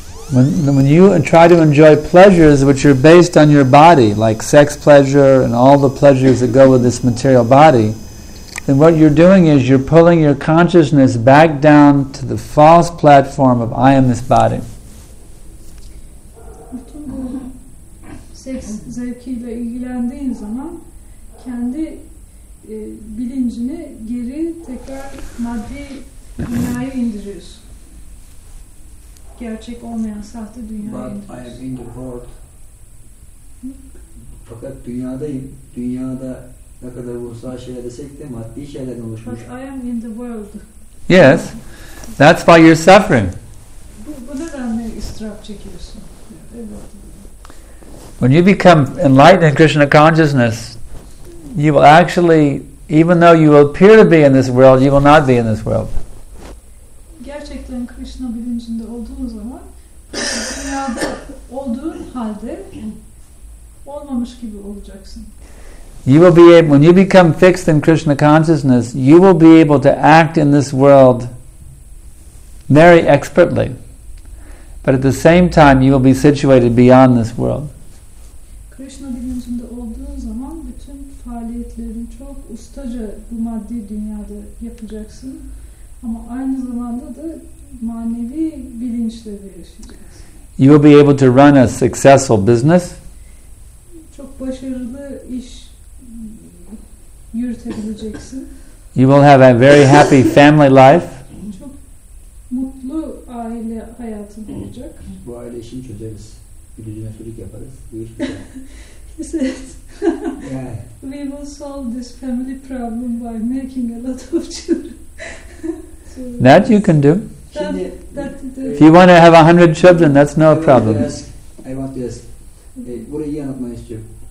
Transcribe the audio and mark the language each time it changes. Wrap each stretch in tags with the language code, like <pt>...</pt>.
<en>When you try to enjoy pleasures which are based on your body, like sex pleasure and all the pleasures that go with this material body, then what you're doing is you're pulling your consciousness back down to the false platform of I am this body.</en> <tr>Seks zevkiyle ilgilendiğin zaman kendi bilincini geri tekrar maddi dünyaya indiriyorsun. Gerçek olmayan sahte dünyaya indiriyorsun.</tr> <en>But I am in the world.</en> <tr>Fakat dünyadayım. Dünyada ne kadar ruhsal şeyler desek de maddi şeylerden oluşmuş.</tr> <en>But I am in the world. Yes. That's why you're suffering.</en> <tr>Bu nedenle ıstırap çekiyorsun. Evet.</tr> <en>When you become enlightened in Krishna consciousness, you will actually, even though you will appear to be in this world, you will not be in this world.</en> <tr>Gerçekten Krishna bilincinde olduğun zaman, dünyada olduğun halde olmamış gibi olacaksın.</tr> <en>You will be able, when you become fixed in Krishna consciousness, you will be able to act in this world very expertly. But at the same time, you will be situated beyond this world.</en> <tr>Krishna bilincinde olduğun zaman bütün faaliyetlerini çok ustaca bu maddi dünyada yapacaksın. Ama aynı zamanda da manevi bilinçle de yaşayacaksın.</tr> <en>You will be able to run a successful business.</en> <tr>Çok başarılı iş yürütebileceksin.</tr> <en>You will have a very happy family life.</en> <tr>Çok mutlu aile hayatın olacak. Bu aile işini çözeriz.</tr> <en>He said, we will solve this family problem by making a lot of children. So that you can do. If you want to have 100 children, that's no problem. I want to ask,</en> <tr>burayı iyi anlatmak istiyorum.</tr>